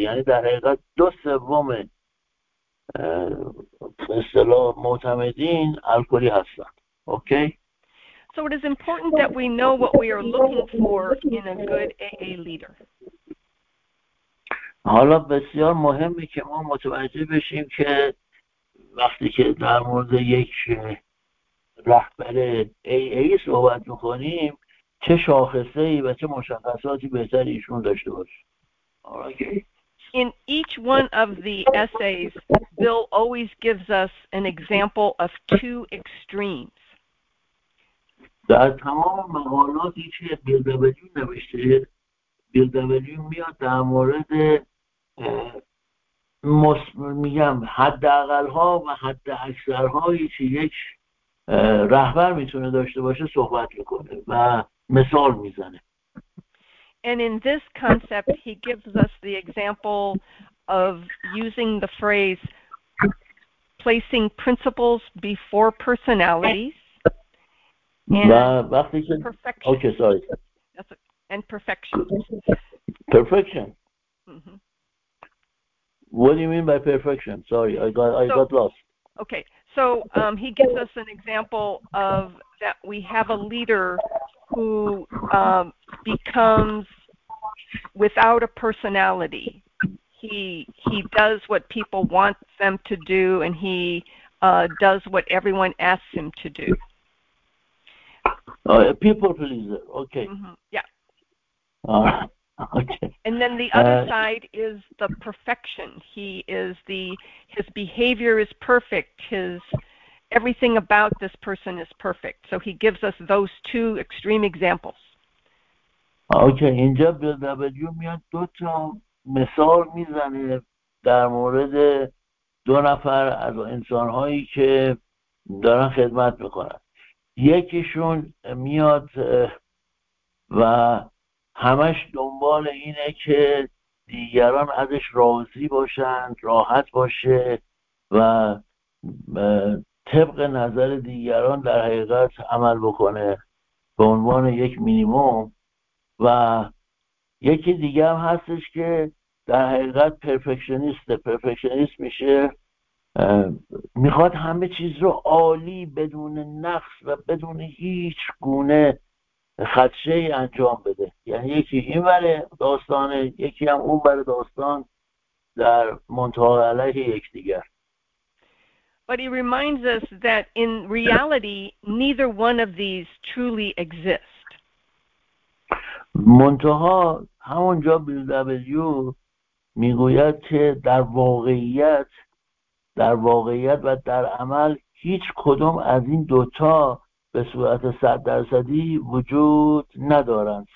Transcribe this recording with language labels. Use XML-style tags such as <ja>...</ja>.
<fa>یعنی در حقیقت 2/3 معتمدین الکلی هستن.</fa> <en>Okay? So it is important that we know what we are looking for in a good AA leader.</en> <fa>حالا بسیار مهمه که ما متوجه بشیم که وقتی که در مورد یک رهبر AA صحبت می‌کنیم چه شاخصه‌ای و چه مشخصاتی بهتر ایشون داشته باشه.</fa> <en>Okay? In each one of the essays, Bill always gives us an example of 2 extremes.</en> <fa>در تمام مقالاتی که بیل دبلیو نوشته، بیل دبلیو میاد در مورد میگم حد اقل ها و حد اکثر هایی که یک رهبر میتونه داشته باشه صحبت میکنه و مثال میزنه.</fa> <en>And in this concept, he gives us the example of using the phrase placing principles before personalities and perfection. Okay, sorry. That's and perfection. Perfection. Mm-hmm. What do you mean by perfection? Sorry, I got lost. Okay, so he gives us an example of that we have a leader who becomes without a personality. He does what people want them to do, and he does what everyone asks him to do. People pleaser, okay. Mm-hmm. Yeah. Okay. And then the other side is the perfection. He is his behavior is perfect. Everything about this person is perfect. So he gives us those two extreme examples. Okay</en> <fa>اینجا بیل دبلیو میاد دو تا مثال میزنه در مورد دو نفر از انسانهایی که دارن خدمت میکنن. یکیشون میاد و همش دنبال اینه که دیگران ازش راضی باشن، راحت باشه و طبق نظر دیگران در حقیقت عمل بکنه به عنوان یک مینیموم، و یکی دیگه هم هستش که در حقیقت پرفکشنیست میشه، میخواد همه چیز رو عالی بدون نقص و بدون هیچ گونه خدشه ای انجام بده. یعنی یکی این بره داستانه، یکی هم اون بره داستان در منطقه علیه یک دیگر.</fa> <en>But he reminds us that in reality neither one of these truly exists.</en> <fa>منتها همونجا بیل دبلیو میگوید که در واقعیت و در عمل هیچ کدوم از این دوتا به صورت 100% وجود ندارن.</fa>